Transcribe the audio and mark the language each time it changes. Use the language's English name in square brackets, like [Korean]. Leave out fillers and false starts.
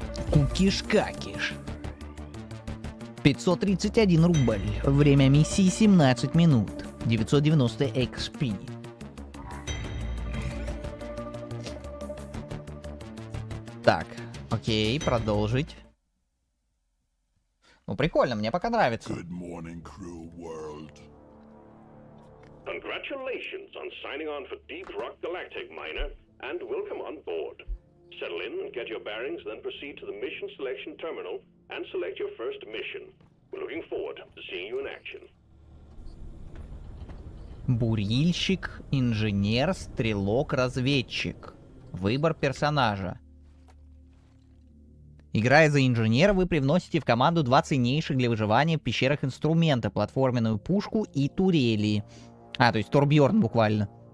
[Russian] Кукиш-какиш. 531 рубль. Время миссии 17 минут. 990 XP. Так, окей, продолжить. Ну, прикольно, мне пока нравится. [English] Good morning, crew world. Congratulations on signing on for Deep Rock Galactic, Miner, and welcome on board. Settle in and get your bearings, then proceed to the mission selection terminal and select your first mission. We're looking forward to seeing you in action. [Russian] Бурильщик, инженер, стрелок, разведчик. Выбор персонажа. Играя за инженера, вы привносите в команду два ценнейших для выживания в пещерах инструмента. Платформенную пушку и турели. А, то есть Торбьорн буквально.